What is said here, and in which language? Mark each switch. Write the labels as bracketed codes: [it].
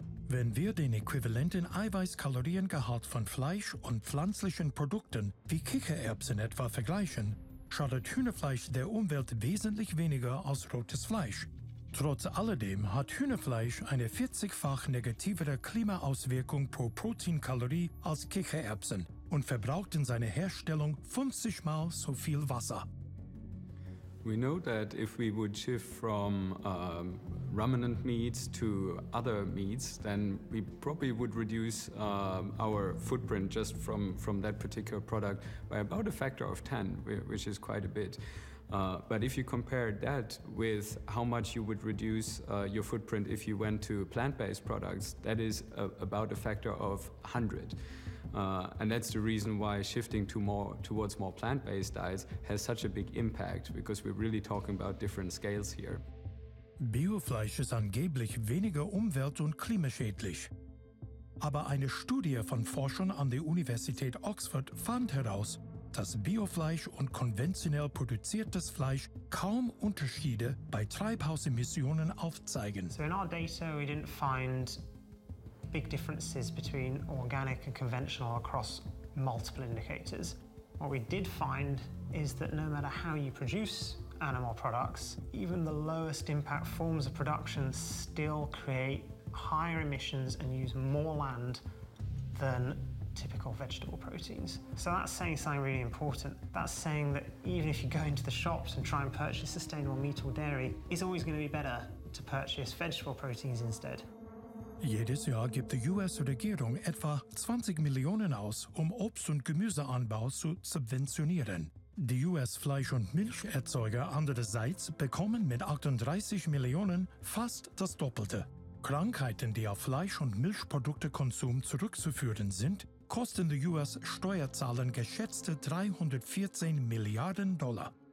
[de] Wenn wir den äquivalenten Eiweißkaloriengehalt von Fleisch und pflanzlichen Produkten wie Kichererbsen etwa vergleichen, schadet Hühnerfleisch der Umwelt wesentlich weniger als rotes Fleisch. Trotz alledem hat Hühnerfleisch eine 40-fach negativere Klimaauswirkung pro Proteinkalorie als Kichererbsen und verbraucht in seiner Herstellung 50 Mal so viel Wasser. [en] We know that if we would shift from ruminant meats to other meats, then we probably would reduce our footprint just from that particular product by about a factor of 10, which is quite a bit. But if you compare that with how much you would reduce your footprint if you went to plant-based products, that is about a factor of 100. And that's the reason why shifting towards more plant-based diets has such a big impact, because we're really talking about different scales here. [de] Biofleisch ist angeblich weniger umwelt- und klimaschädlich. Aber eine Studie von Forschern an der Universität Oxford fand heraus, dass Biofleisch und konventionell produziertes Fleisch kaum Unterschiede bei Treibhausemissionen aufzeigen. [en] So in our data we didn't find big differences between organic and conventional across multiple indicators. What we did find is that no matter how you produce animal products, even the lowest impact forms of production still create higher emissions and use more land than typical vegetable proteins. So that's saying something really important. That's saying that even if you go into the shops and try and purchase sustainable meat or dairy, it's always going to be better to purchase vegetable proteins instead. [de] Jedes Jahr gibt die US-Regierung etwa 20 Millionen aus, um Obst- und Gemüseanbau zu subventionieren. Die US-Fleisch- und Milcherzeuger andererseits bekommen mit 38 Millionen fast das Doppelte. Krankheiten, die auf Fleisch- und Milchproduktekonsum zurückzuführen sind, kosten die US-Steuerzahler geschätzte 314 Milliarden Dollar.